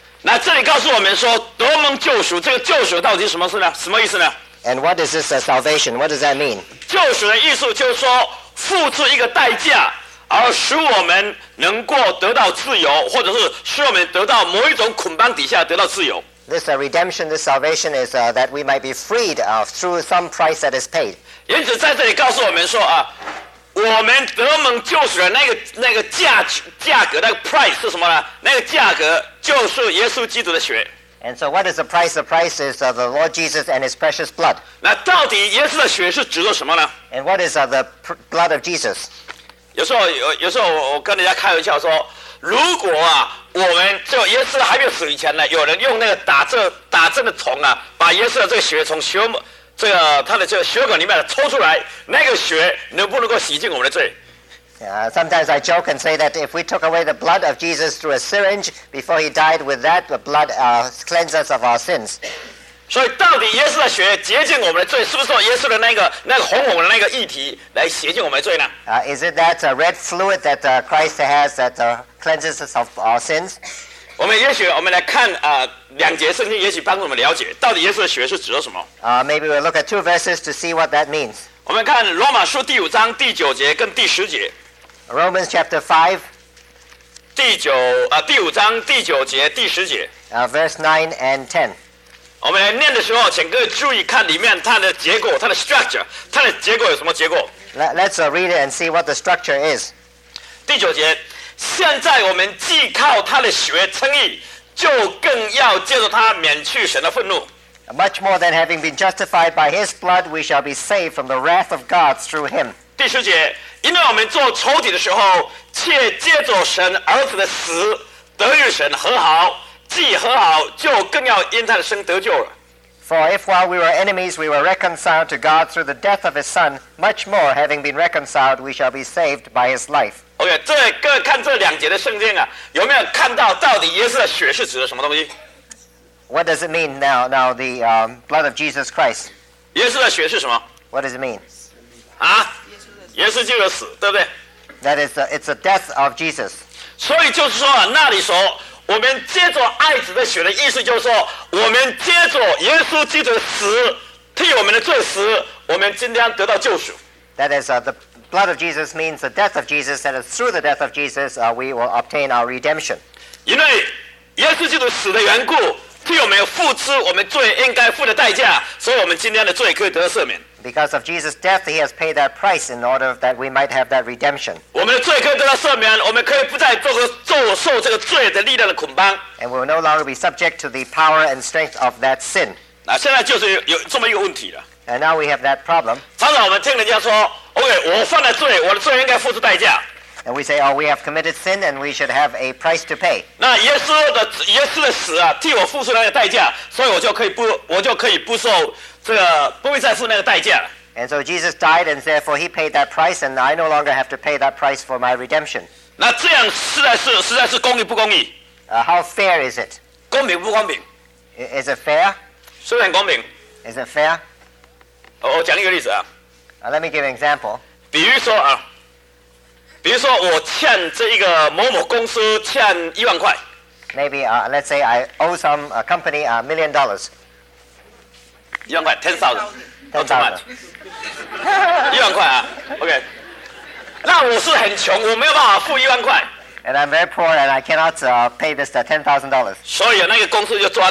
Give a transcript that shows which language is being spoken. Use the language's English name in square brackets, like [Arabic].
[Chinese] 那这里告诉我们说，得蒙救赎，这个救赎到底什么事呢？什么意思呢 [English] ？And what is this salvation? What does that mean? [Chinese] 救赎的意思就是说，付出一个代价。而使我们能够得到自由，或者是使我们得到某一种捆绑底下得到自由。 [English] This redemption, this salvation is that we might be freed through some price that is paid. [Chinese] 因此在这里告诉我们说啊，我们得蒙救赎的那个价格，那个 price 是什么呢？那个价格就是耶稣基督的血。 [English] And so, what is the price? The price is the Lord Jesus and His precious blood. [Chinese] 那到底耶稣的血是指的什么呢 [English] ？And what is the blood of Jesus? [Chinese] 有时候我跟人家开玩笑说，如果啊，我们就耶稣还没有死以前呢，有人用那个打针的虫啊，把耶稣的这个血从他的血管里面抽出来，那个血能不能够洗净我们的罪？ [English] Sometimes I joke and say that if we took away the blood of Jesus through a syringe before he died, with that the blood cleanses us of our sins. [Chinese] 所以，到底耶稣的血洁净我们的罪，是不是耶稣的那个红红的那个液体来洁净我们的罪呢？ [English] Is it that red fluid that Christ has that cleanses us of our sins? [Chinese] 我们也许我们来看两节圣经，也许帮助我们了解到底耶稣的血是指的什么。 [English] Maybe we'll look at two verses to see what that means. [Chinese] 我们看罗马书第五章第九节跟第十节。 [English] Romans chapter 5, [Chinese] 第五章第九节第十节。 [English] Verse 9 and 10. [Chinese] 我们来念的时候，请各位注意看里面它的结构，它的 structure， 它的结构有什么结构 [English] ？Let's read it and see what the structure is. [Chinese] 第九节，现在我们既靠他的血称义，就更要借着他免去神的愤怒。 [English] Much more than having been justified by his blood, we shall be saved from the wrath of God through him. [Chinese] 第十节，因为我们做仇敌的时候，却借着神儿子的死得与神和好。既和好，就更要因他的生得救了。 [English] For if while we were enemies, we were reconciled to God through the death of His Son, much more, having been reconciled, we shall be saved by His life. [Chinese] Okay, 这各位看这两节的圣经啊，有没有看到到底耶稣的血是指的什么东西 [English] ？What does it mean now the blood of Jesus Christ? [Chinese] 耶稣的血是什么 [English] ？What does it mean? [Chinese] 啊，耶稣就是死，对不对 [English] ？That is, it's the death of Jesus. [Chinese] 所以就是说啊，那里说。我们接着爱子的血的意思就是说，我们接着耶稣基督的死替我们的罪死，我们今天得到救赎。 [English] That is the blood of Jesus means the death of Jesus. That is through the death of Jesus, we will obtain our redemption. [Chinese] 因为耶稣基督死的缘故，替我们付出我们罪应该付的代价，所以我们今天的罪可以得到赦免。 [English] Because of Jesus' death, He has paid that price in order that we might have that redemption. [Chinese] 我们的罪可以得到赦免，我们可以不再受这个罪的力量的捆绑。 [English] And we will no longer be subject to the power and strength of that sin. [Chinese] 那现在就是有这么一个问题了。 [English] And now we have that problem. [Chinese] 常常我们听人家说 ，OK， 我犯了罪，我的罪应该付出代价。 [English] And we say, oh, we have committed sin, and we should have a price to pay. [Chinese] 那耶稣的死啊，替我付出那个代价，所以我就可以不受这个不会再付那个代价。 [English] And so Jesus died, and therefore he paid that price, and I no longer have to pay that price for my redemption. [Chinese] 那这样实在是 公义不公义? [English] How fair is it? [Chinese] 公平不公平? [English] Is it fair? [Chinese] 虽然公平, [English] is it fair? [Chinese] 我讲一个例子啊。 [English] Let me give an example. [Chinese] 比如说我欠这一个某某公司欠一万块。 [English] Maybe, let's say I owe some company $1 million. [Chinese] 一万块, [English] $10,000. Not too much. [Chinese] 一万块啊, [English] okay. [Chinese] 那我是很穷,我没有办法付一万块。 [English] And I'm very poor and I cannot pay this $10,000.